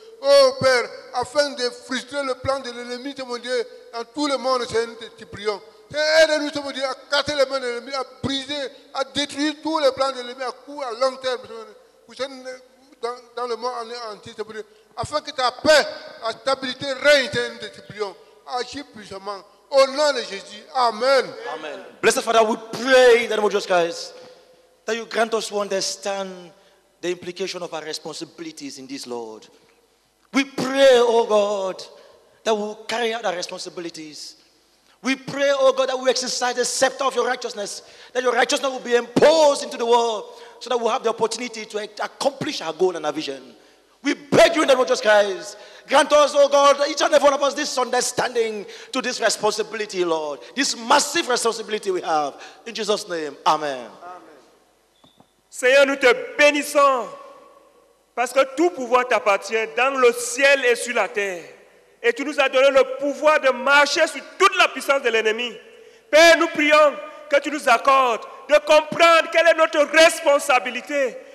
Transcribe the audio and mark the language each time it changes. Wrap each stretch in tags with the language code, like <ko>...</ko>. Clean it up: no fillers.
<fr>Ô Père, afin de frustrer le plan de l'ennemi, mon Dieu, dans tout le monde, Seigneur, nous te prions. Seigneur, aide-nous, mon Dieu, à casser les mains de l'ennemi, à briser, à détruire tous les plans de l'ennemi à court, à long terme, mon Dieu, dans le monde entier, mon Dieu, afin que ta paix, ta stabilité règne, Seigneur, nous te prions. Agis puissamment. Au nom de Jésus, amen. Amen.</fr> <en>Blessed Father, we pray in the name of Jesus Christ that you grant us to understand the implication of our responsibilities in this, Lord. We pray, oh God, that we will carry out our responsibilities. We pray, oh God, that we exercise the scepter of your righteousness, that your righteousness will be imposed into the world so that we'll have the opportunity to accomplish our goal and our vision. We beg you in the name of Jesus Christ, grant us, oh God, each and every one of us, this understanding to this responsibility, Lord, this massive responsibility we have. In Jesus' name, amen. Amen.</en> <fr>Seigneur, nous te bénissons parce que tout pouvoir t'appartient dans le ciel et sur la terre. Et tu nous as donné le pouvoir de marcher sur toute la puissance de l'ennemi. Père, nous prions que tu nous accordes de comprendre quelle est notre responsabilité.</fr>